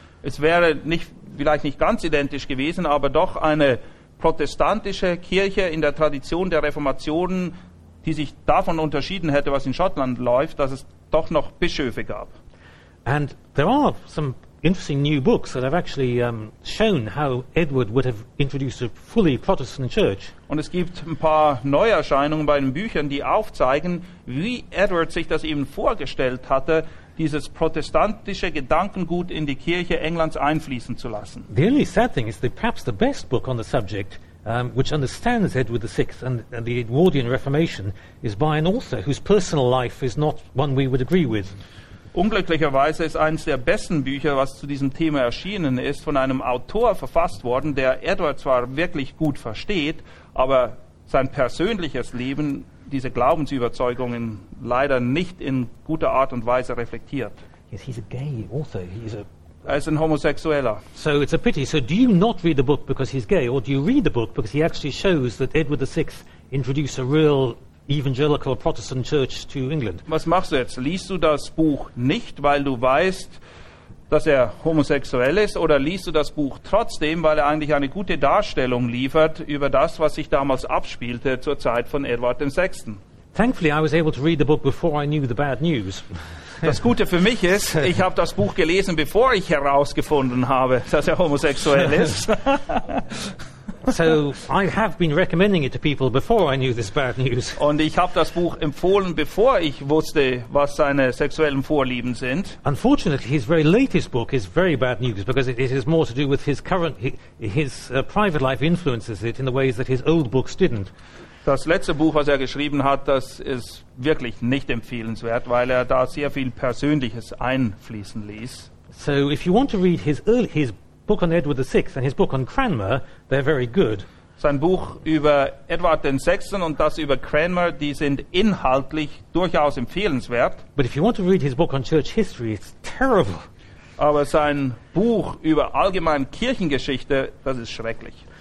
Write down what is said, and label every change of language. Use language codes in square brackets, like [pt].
[de] Es wäre nicht, vielleicht nicht ganz identisch gewesen, aber doch eine protestantische Kirche in der Tradition der Reformation, die sich davon unterschieden hätte, was in Schottland läuft, dass es doch noch Bischöfe gab. [en] And there are some interesting new books that have actually shown how Edward would have introduced a fully Protestant church. [de] Und es gibt ein paar Neuerscheinungen bei den Büchern, die aufzeigen, wie Edward sich das eben vorgestellt hatte, dieses protestantische Gedankengut in die Kirche Englands einfließen zu lassen. [en] The only sad thing is that perhaps the best book on the subject, which understands Edward the Sixth and the Edwardian Reformation, is by an author whose personal life is not one we would agree with. [de] Unglücklicherweise ist eines der besten Bücher, was zu diesem Thema erschienen ist, von einem Autor verfasst worden, der Edward zwar wirklich gut versteht, aber sein persönliches Leben, diese Glaubensüberzeugungen leider nicht in guter Art und Weise reflektiert. [en] Yes, he's a gay author. He's a [de] Er ist ein Homosexueller. [en] So it's a pity. So do you not read the book because he's gay, or do you read the book because he actually shows that Edward the Sixth introduced a real evangelical Protestant church to England? [de] Was machst du jetzt? Liest du das Buch nicht, weil du weißt, dass er homosexuell ist, oder liest du das Buch trotzdem, weil er eigentlich eine gute Darstellung liefert über das, was sich damals abspielte zur Zeit von Edward dem Sechsten? [en] Thankfully, I was able to read the book before I knew the bad news. [de] Das Gute für mich ist, ich habe das Buch gelesen, bevor ich herausgefunden habe, dass er homosexuell ist. [en] So I have been recommending it to people before I knew this bad news. [de] Und ich habe das Buch empfohlen, bevor ich wusste, was seine sexuellen Vorlieben sind. [en] Unfortunately, his very latest book is very bad news, because it is more to do with his current private life influences it in the ways that his old books didn't. [de] Das letzte Buch, was er geschrieben hat, das ist wirklich nicht empfehlenswert, weil er da sehr viel Persönliches einfließen ließ. [en] So if you want to read his book on Edward the Sixth and his book on Cranmer, they're very good. [de] Sein Buch über Edward den Sechsten und das über Cranmer, die sind inhaltlich durchaus empfehlenswert. [en] But if you want to read his book on church history, it's terrible. [de] Aber sein Buch über allgemeine Kirchengeschichte, das ist schrecklich.